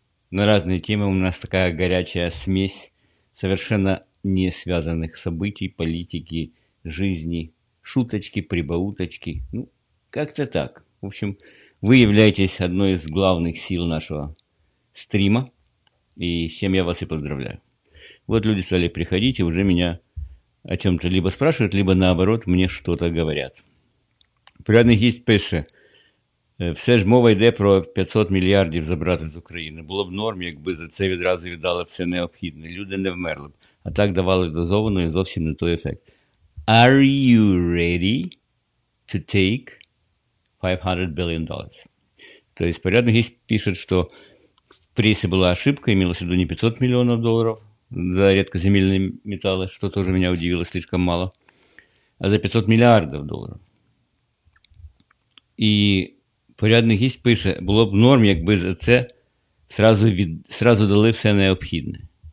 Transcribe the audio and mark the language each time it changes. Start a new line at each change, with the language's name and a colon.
Russian: На разные темы у нас такая горячая смесь совершенно не связанных событий, политики, жизни, шуточки, прибауточки. Ну, как-то так. В общем, вы являетесь одной из главных сил нашего стрима, и с чем я вас и поздравляю. Вот люди стали приходить и уже меня о чем-то либо спрашивают, либо наоборот мне что-то говорят.
Ukrainian: Прядник есть пише, все ж мова йде про 500 мільярдів забрати з України. Було б норм, якби за це відразу віддали все необхідне. Люди не вмерли б. А так давали дозовано і зовсім не той ефект.
English: Are you ready to take $500 billion?
Russian: То есть, порядок есть, пишет, что в прессе была ошибка, имелось в виду не 500 миллионов долларов за редкоземельные металлы, что тоже меня удивило, слишком мало, а за 500 миллиардов долларов. И порядок есть, пишет, было бы норм, как бы за это сразу дали все необходимое.